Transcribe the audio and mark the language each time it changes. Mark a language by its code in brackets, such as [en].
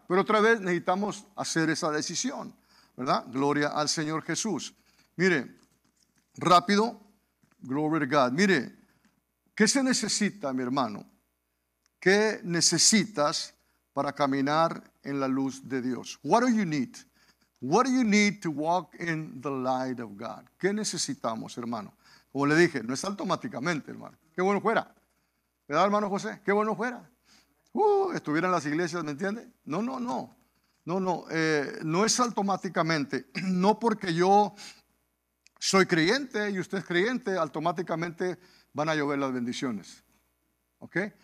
[es] Pero otra vez necesitamos hacer esa decisión, ¿verdad? Gloria al Señor Jesús. Mire, rápido, [en] glory to God. [es] Mire, ¿qué se necesita, mi hermano? ¿Qué necesitas para caminar en la luz de Dios? [en] What do you need? What do you need to walk in the light of God? [es] ¿Qué necesitamos, hermano? Como le dije, no es automáticamente, hermano. Qué bueno fuera. ¿Verdad, hermano José? Qué bueno fuera. Estuvieran las iglesias, ¿me entiende? No. No es automáticamente. No porque yo soy creyente y usted es creyente, automáticamente van a llover las bendiciones. ¿Ok?